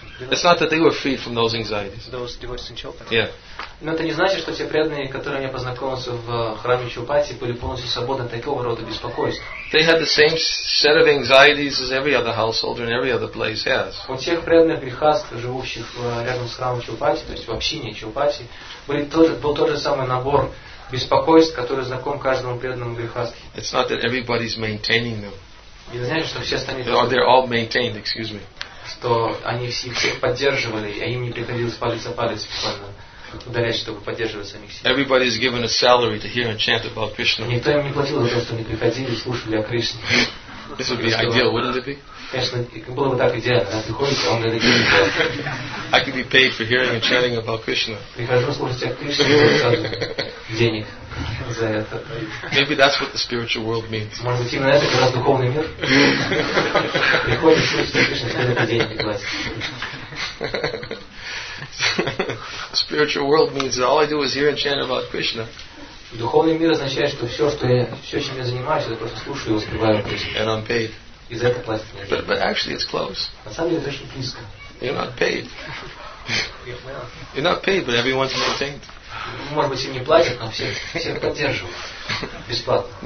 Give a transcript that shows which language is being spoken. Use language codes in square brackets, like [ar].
[en] It's not that they were freed from those anxieties. Those devotees in Chopati. Yeah. [ru] Но это не значит, что те преданные, которые я познакомился в храме Чопати, были полностью свободны от такого рода беспокойств. [en] They had the same set of anxieties as every other householder in every other place has. [ru] У тех преданных грехаст, живущих рядом с храмом Чопати, то есть в общине Чопати, был тот же самый набор беспокойств, который знаком каждому преданному грехасту. [en] It's not that everybody's maintaining them. [ru] Не значит, что все остальные. [en] Or they're all maintained, excuse me. [ru] Что они всех поддерживали, а им не приходилось палец буквально ударять, чтобы поддерживать самих себя. [en] Everybody is given a salary to hear and chant about Krishna. [ru] Никто им не платил за то, что они приходили и слушали о Кришне. [en] This would be ideal, wouldn't it be? [ru] Конечно, было бы так идеально. Приходите, он говорит, [en] I could be paid for hearing and chanting about Krishna. [ru] Прихожу слушать о Кришне, и сразу денег за это. [en] Maybe that's what the spiritual world means. [ru] Может быть, именно это как раз духовный мир? Приходите, слушайте о Кришне, сразу денег платят. [en] Spiritual world means that all I do is hear and chant about Krishna. [ru] Духовный мир означает, что все, чем я занимаюсь, это просто слушаю и воспеваю Кришну. [en] And I'm paid. [ru] И за это платят мне. [en] But actually, it's close. [ru] На самом деле, это очень близко. [en] You're not paid. You're not paid, but everyone's maintained. [ru] Может быть, и не платят, но все поддерживают бесплатно.